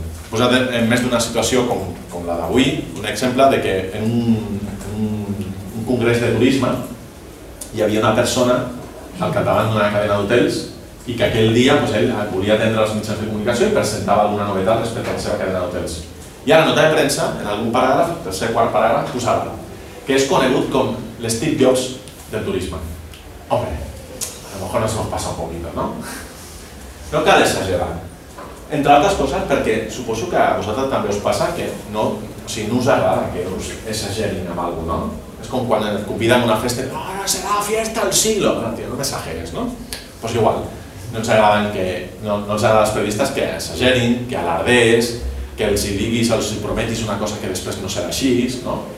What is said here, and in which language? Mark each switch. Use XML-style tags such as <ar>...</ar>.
<ca>Posat en més d'una situació com la d'avui, un exemple de que en un congrés de turisme hi havia una persona al capdavant d'una cadena d'hotels i que aquell dia ell volia atendre els mitjans de comunicació i presentava alguna novetat respecte a la seva cadena d'hotels. I ara, nota de premsa, en algun paràgraf, tercer o quart paràgraf, posava que és conegut com l'Steve Jobs del turisme.</ca> <es>Home, a lo mejor nos hemos pasado un poquito, ¿no?</es> <ca>No cal exagerar. Entre altres coses, perquè suposo que a vosaltres també us passa que no, o sigui, no us agrada que us exagerin amb algú, no? És com quan et conviden a una festa i ara serà</ca> <es>la fiesta del siglo.</es> <ca>No, tio, no exageres, no? Pues igual, no ens agraden que, no els agrada als periodistes que exagerin, que alardés, que els hi diguis o els hi prometis una cosa que després no serà així, no?</ca>